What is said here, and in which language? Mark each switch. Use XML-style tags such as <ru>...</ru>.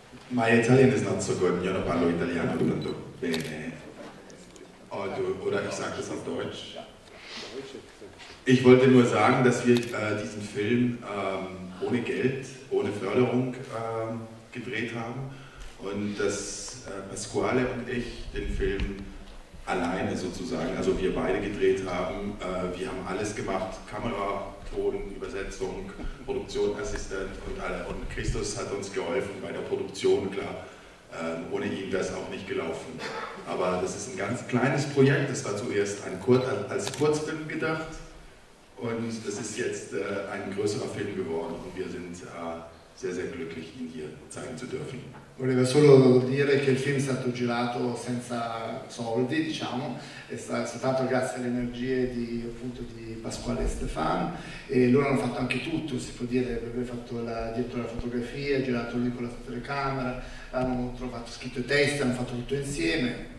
<en>My Italian is not so good,</en> <it>io non parlo italiano tanto bene.</it> <de>Oder ich sage das auf Deutsch. Ich wollte nur sagen, dass wir diesen Film ohne Geld, ohne Förderung gedreht haben, und dass Pasquale und ich den Film alleine sozusagen, also wir beide gedreht haben. Wir haben alles gemacht, Kamera, Ton, Übersetzung, Produktionsassistent und alle. Und Christos hat uns geholfen bei der Produktion, klar. Ohne ihn wäre es auch nicht gelaufen. Aber das ist ein ganz kleines Projekt, das war zuerst als Kurzfilm gedacht, und das ist jetzt ein größerer Film geworden, und wir sind sehr, sehr glücklich, ihn hier zeigen zu dürfen.</de> <it>Volevo solo dire che il film è stato girato senza soldi, diciamo, è stato soltanto grazie alle energie di, appunto, di Pasquale e Stefano, e loro hanno fatto anche tutto, si può dire, hanno fatto il direttore della fotografia, girato lì con la telecamera, hanno trovato, scritto i testi, hanno fatto tutto insieme.</it>